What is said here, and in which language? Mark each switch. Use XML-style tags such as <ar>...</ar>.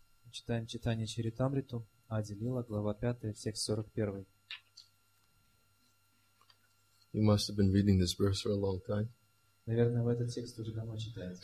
<ru>Читаем Читание Чаритамриту, Адилила, глава 5, текст 41.</ru> <en>You must have been reading this verse for a long time.</en> <ru>Наверное, вы этот текст уже давно читаете.</ru>